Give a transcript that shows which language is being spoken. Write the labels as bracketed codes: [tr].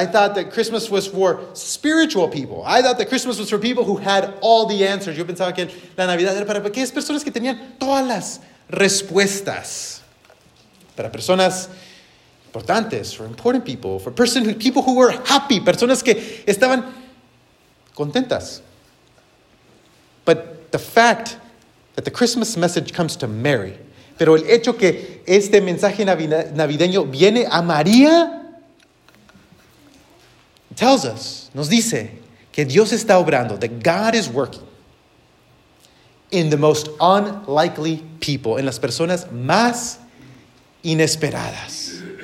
[en] I thought that Christmas was for spiritual people. I thought that Christmas was for people who had all the answers. [es] Yo pensaba que la Navidad era para aquellas personas que tenían todas las respuestas. Para personas importantes, [en] for important people, for people who were happy, [es] personas que estaban contentas. [en] But the fact that the Christmas message comes to Mary, [es] pero el hecho que este mensaje navideño viene a María, [en] tells us, [es] nos dice, que Dios está obrando, [en] that God is working in the most unlikely people, [es] en las personas más inesperadas.